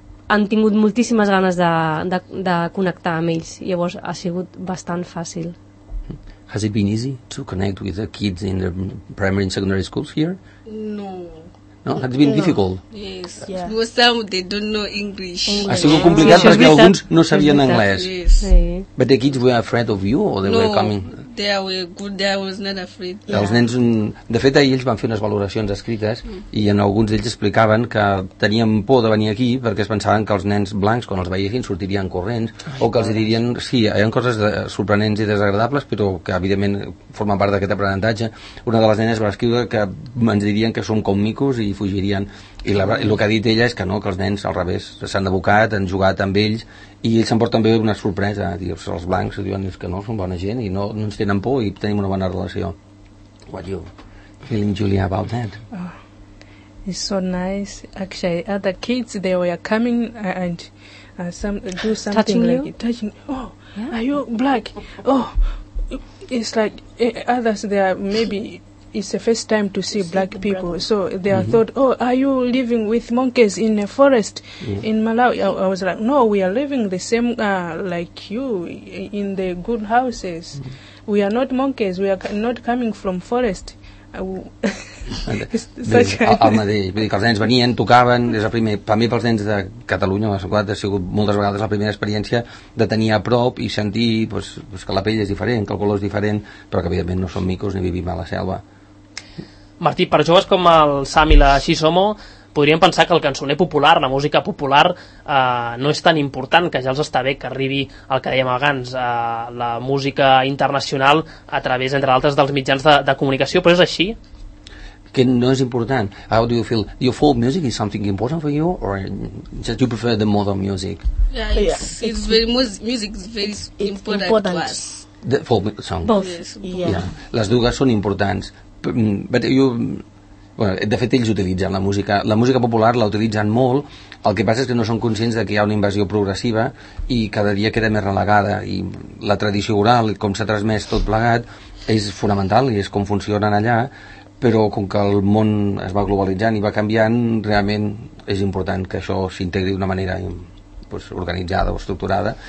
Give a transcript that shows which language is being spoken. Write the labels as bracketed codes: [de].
[ca] Han tingut moltíssimes ganes de connectar amb ells. Llavors ha sigut bastant fàcil. [en] Has it been easy to connect with the kids in the primary and secondary schools here? No. No, has been difficult. Yes. Yeah. Some they don't know English. [ca] Ha sigut complicat perquè alguns no sabien anglès. [en] Yes. But the kids were afraid of you or they no, were coming? They were good, they was not afraid. [ca] Els nens, de fet, ahir ells van fer unes valoracions escrites i en alguns d'ells explicaven que tenien por de venir aquí perquè es pensaven que els nens blancs, quan els veiessin, sortirien corrents o que els dirien, sí, hi ha coses sorprenents i desagradables, però que, evidentment, formen part d'aquest aprenentatge. Una de les nenes va escriure que ens dirien que som com micos i fugirien. I el que ha dit ella és que no, que els nens, al revés, s'han abocat, han jugat amb ells i ells s'emporten bé una sorpresa. Dius, els blancs diuen que no, són bona gent i no, no ens tenen por i tenim una bona relació. [en] What you feeling, Julia, about that? Oh, it's so nice. Actually, other kids, they were coming and do something touching like you? Touching. Oh, yeah. Are you black? Oh, it's like others, they are maybe... it's the first time to see black people. So they mm-hmm. thought, oh, are you living with monkeys in a forest mm-hmm. in Malawi? I was like, no, we are living the same like you in the good houses. Mm-hmm. We are not monkeys. We are not coming from forest. [ca] El mateix, vull dir que els nens venien, tocaven, és el primer, per mi pels nens de Catalunya, la ciutat, ha sigut moltes vegades la primera experiència de tenir a prop i sentir pues, que la pell és diferent, que el color és diferent, però que evidentment no som micos ni vivim a la selva. Martí, per joves com el Sam i la Xisomo, podríem pensar que el cançoner popular, la música popular, no és tan important, que ja els està bé que arribi el que dèiem abans, la música internacional a través, entre altres, dels mitjans de comunicació, però és així? Que no és important. How do you feel? [en] Your folk music is something important for you, or just you prefer the modern music? Yeah, it's very, music is very important to us. The folk song? Both. Yes, both. Yeah. [ca] Les dues són importants. But you... Bueno, de fet, ells utilitzen la música. La música popular la utilitzen molt, el que passa és que no són conscients de que hi ha una invasió progressiva i cada dia queda més relegada. I la tradició oral, com s'ha transmès tot plegat, és fonamental i és com funcionen allà, però com que el món es va globalitzant i va canviant, realment és important que això s'integri d'una manera pues, organitzada o estructurada.